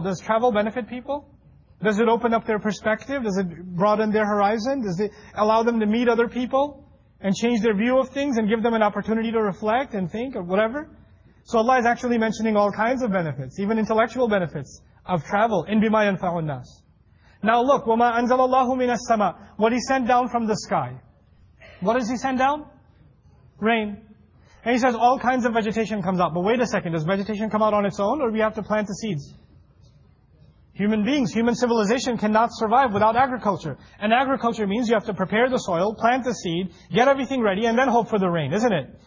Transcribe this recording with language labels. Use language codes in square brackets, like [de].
[en] Does travel benefit people? Does it open up their perspective? Does it broaden their horizon? Does it allow them to meet other people and change their view of things and give them an opportunity to reflect and think or whatever? So Allah is actually mentioning all kinds of benefits, even intellectual benefits of travel. [ar] إِنْ بِمَا يَنْفَعُ النَّاسِ. [en] Now look, [ar] وَمَا أَنْزَلَ اللَّهُ مِنَ السَّمَاءِ. [en] What He sent down from the sky. What does He send down? Rain. And He says all kinds of vegetation comes out. But wait a second, does vegetation come out on its own, or do we have to plant the seeds? Human beings, human civilization cannot survive without agriculture. And agriculture means you have to prepare the soil, plant the seed, get everything ready, and then hope for the rain, isn't it?